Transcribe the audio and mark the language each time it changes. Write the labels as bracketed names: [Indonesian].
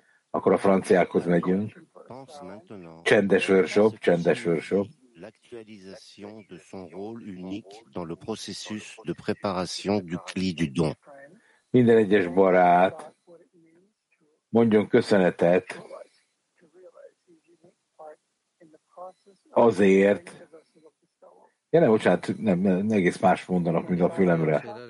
[Hungarian] Akkor a franciákhoz megyünk. Csendes workshop. [French] L'actualisation de son rôle unique dans le processus de préparation du cli du don. [Hungarian] Minden egyes barát mondjon köszönetet azért. Ja, nem, bocsánat, nem, egész más mondanak, mint a fülemre.